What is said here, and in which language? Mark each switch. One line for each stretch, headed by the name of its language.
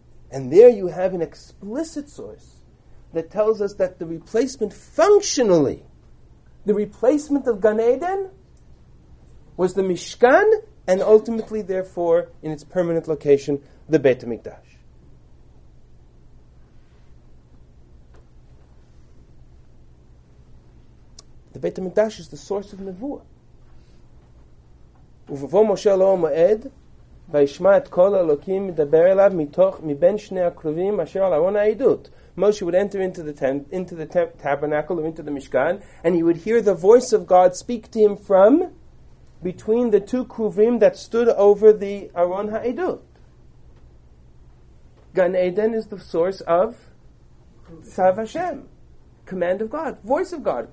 English: And there you have an explicit source that tells us that the replacement functionally, the replacement of Gan Eden was the Mishkan and ultimately therefore in its permanent location, the Beit HaMikdash. The Beit HaMikdash is the source of Nevuah.
Hebrew: ובבוא משה לא מועד, וישמע את כל אלוקים מדבר אליו מתוך, מבין שני הקרובים אשר על ארון העדות.
English: Moshe would enter into the tabernacle or into the Mishkan, and he would hear the voice of God speak to him from between the two kruvim that stood over the Aron HaEdut. Gan Eden is the source of Tzav Hashem, command of God, voice of God.